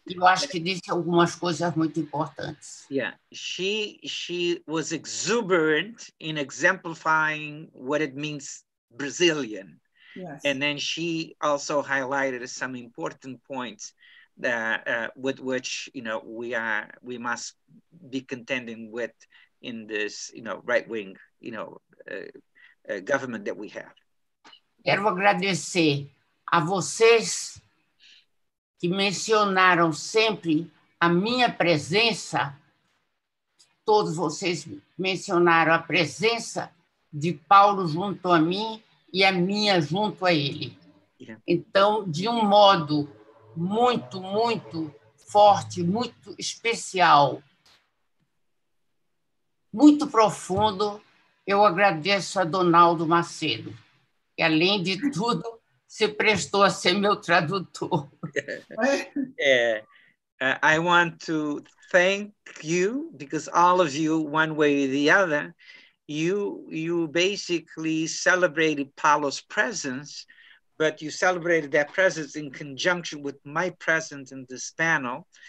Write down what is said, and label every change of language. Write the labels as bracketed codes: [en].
[pt] Eu acho que disse algumas coisas muito importantes. [en] Yeah. She was exuberant in exemplifying what it means Brazilian. Yes. And then she also highlighted some important points that with which, you know, we must be contending with in this, you know, right wing, you know, government that we have. [pt] Quero agradecer a vocês que mencionaram sempre a minha presença, todos vocês mencionaram a presença de Paulo junto a mim e a minha junto a ele. Então, de um modo muito, muito forte, muito especial, muito profundo, eu agradeço a Donaldo Macedo, que além de tudo, se prestou a ser meu tradutor. [en] I want to thank you, because all of you, one way or the other, you basically celebrated Paulo's presence, but you celebrated that presence in conjunction with my presence in this panel.